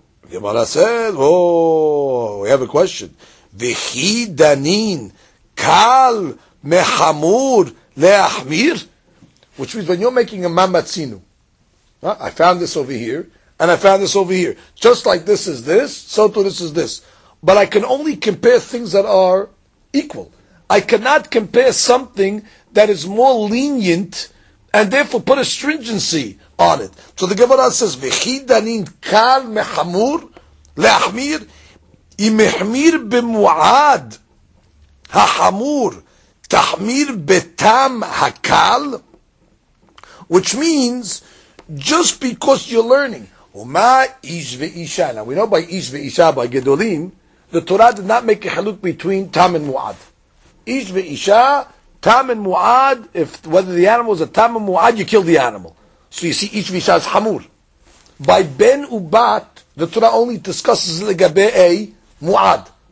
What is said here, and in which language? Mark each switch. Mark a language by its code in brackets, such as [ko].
[en] Gemara says, oh, we have a question. [he] V'chi danin kal mechamur leachmir, [en] which means when you're making a mamatzinu, I found this over here, and I found this over here. Just like this is this, so too this is this. But I can only compare things that are equal. I cannot compare something that is more lenient, and therefore put a stringency on it. So the Gemara says, [he] V'chi danin kal mechamur leachmir, אם החמיר במועד החמור, תחמיר בטעם הקל, [en] which means, just because you're learning, [he] ומה איש ואישה? [en] Now we know by איש ואישה, by גדולים, the Torah did not make a חלוק between טעם and מועד. איש ואישה, טעם and מועד, if whether the animal is a טעם and מועד, you kill the animal. So you see, איש ואישה is חמור. By בן ובת, the Torah only discusses לגבי a מועד.